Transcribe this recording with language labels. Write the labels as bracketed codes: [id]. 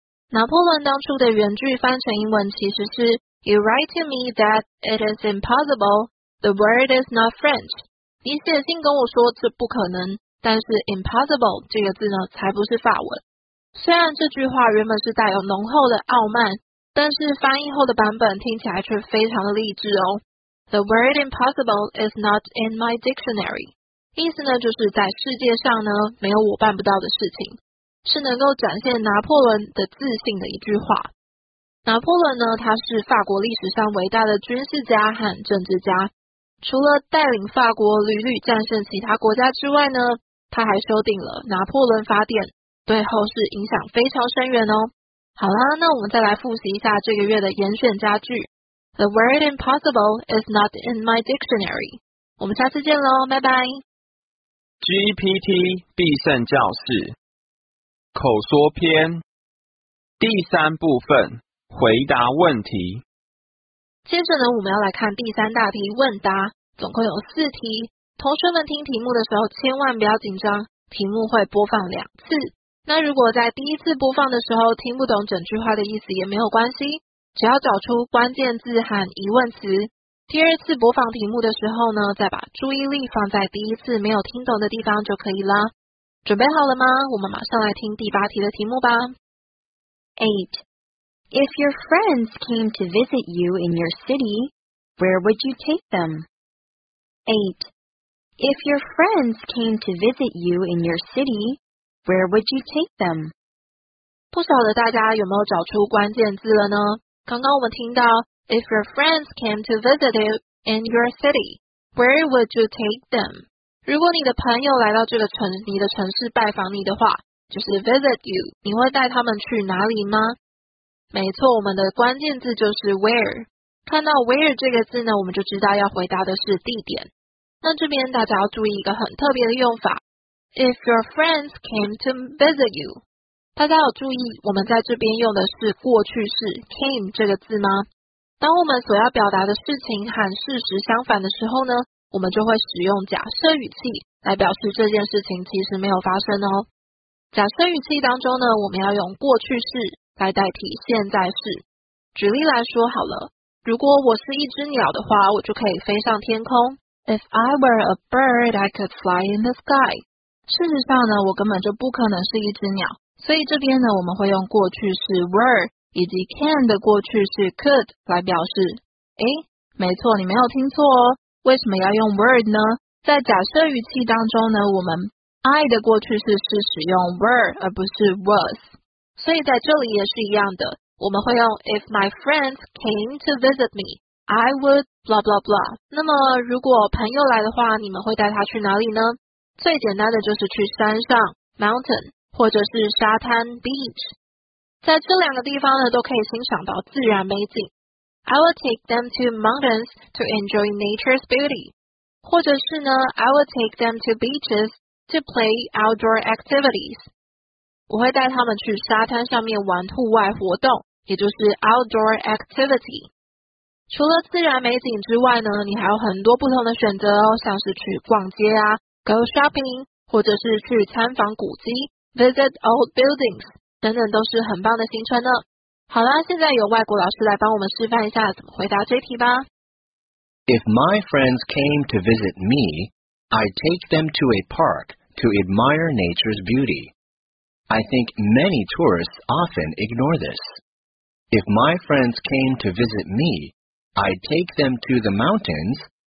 [zh] 拿破仑当初的原句翻成英文其实是 [en] You write to me that it is impossible, the word is not French. [zh] 你写信跟我说这不可能，但是 impossible 这个字呢才不是法文。虽然这句话原本是带有浓厚的傲慢，但是翻译后的版本听起来却非常的励志哦。 [en] The word impossible is not in my dictionary. [zh] 意思呢，就是在世界上呢，没有我办不到的事情，是能够展现拿破仑的自信的一句话。拿破仑呢，他是法国历史上伟大的军事家和政治家，除了带领法国屡屡战胜其他国家之外呢，他还修订了拿破仑法典，对后世影响非常深远哦。好啦，那我们再来复习一下这个月的严选佳句。 [en] The word impossible is not in my dictionary. [zh] 我们下次见咯，拜拜。 GPT 必胜教室口说篇第三部分回答问题。接着呢，我们要来看第三大题问答，总共有四题。同学们听题目的时候千万不要紧张，题目会播放两次。那如果在第一次播放的时候听不懂整句话的意思也没有关系，只要找出关键字和疑问词。第二次播放题目的时候呢，再把注意力放在第一次没有听懂的地方就可以了。准备好了吗？我们马上来听第八题的题目吧。 [en] 8. If your friends came to visit you in your city, where would you take them? 8. If your friends came to visit you in your city, where would you take them? [zh] 不晓得大家有没有找出关键字了呢？刚刚我们听到 [en] If your friends came to visit you in your city, where would you take them? [zh] 如果你的朋友来到这个城，你的城市拜访你的话，就是 visit you, 你会带他们去哪里吗？没错，我们的关键字就是 where。看到 where 这个字呢，我们就知道要回答的是地点。那这边大家要注意一个很特别的用法 ， [en] If your friends came to visit you， [zh] 大家有注意我们在这边用的是过去式 came 这个字吗？当我们所要表达的事情和事实相反的时候呢，我们就会使用假设语气来表示这件事情其实没有发生哦。假设语气当中呢，我们要用过去式来代替现在式。举例来说好了，如果我是一只鸟的话，我就可以飞上天空。 [en] If I were a bird, I could fly in the sky. [zh] 事实上呢，我根本就不可能是一只鸟，所以这边呢，我们会用过去式 were 以及 can 的过去式 could 来表示。诶，没错，你没有听错哦。为什么要用 were 呢？在假设语气当中呢，我们 I 的过去式是使用 were 而不是 was， 所以在这里也是一样的，我们会用 [en] If my friends came to visit me, I would blah blah [zh] blah。那么如果朋友来的话，你们会带他去哪里呢？最简单的就是去山上 mountain， 或者是沙滩 beach。在这两个地方呢，都可以欣赏到自然美景。 [en] I will take them to mountains to enjoy nature's beauty， [zh] 或者是呢 [en] I will take them to beaches to play outdoor activities， [zh] 我会带他们去沙滩上面玩户外活动，也就是 [en] outdoor activity。 [zh] 除了自然美景之外呢，你还有很多不同的选择哦，像是去逛街啊 go shopping， 或者是去参访古迹 [en] visit old buildings [zh] 等等，都是很棒的行程呢。好啦，现在由外国老师来帮我们示范一下怎么回答这题吧。 [en] If my friends came to visit me, I take them to a park to admire nature's beauty. I think many tourists often ignore this. If my friends came to visit meI take them to the mountains.